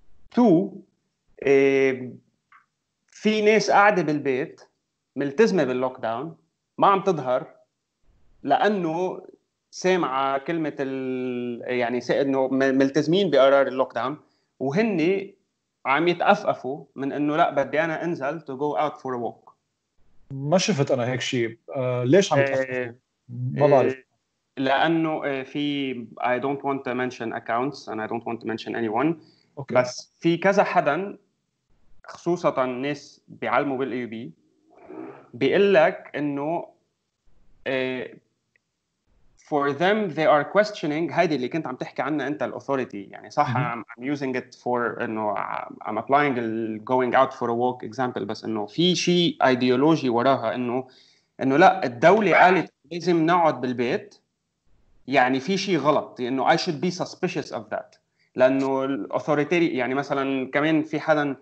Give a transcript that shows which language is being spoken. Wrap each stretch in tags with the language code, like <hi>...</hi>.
<ar>تو في ناس قاعدة بالبيت ملتزمة باللوك داون ما عم تظهر لأنه سامعة كلمة يعني إنه ملتزمين بقرار اللوك داون، وهني عم يتأفقفوا من إنه لا بدي أنا أنزل</ar> <en>to go out for a walk.</en> <ar>ما شفت أنا هيك شيء. ليش عم يتأفقفوا؟ ما بعرف. لأنه في</ar> <en>I don't want to mention accounts and I don't want to mention anyone. Okay.</en> <ar>بس في كذا حدا خصوصا الناس بيعلموا بالاي بي بيقول لك انه</ar> <en>for them they are questioning</en> <ar>هيدي اللي كنت عم تحكي عنها انت الاثوريتي يعني صح.</ar> <en>I'm using it for</en> <ar>انه</ar> <en>I'm applying going out for a walk example،</en> <ar>بس انه في شيء ايديولوجي وراها انه لا الدوله قالت لازم نقعد بالبيت يعني في شيء غلط، انه</ar> <en>I should be suspicious of that</en> <ar>لانه الاوثوريتي يعني مثلا كمان في حدا</ar>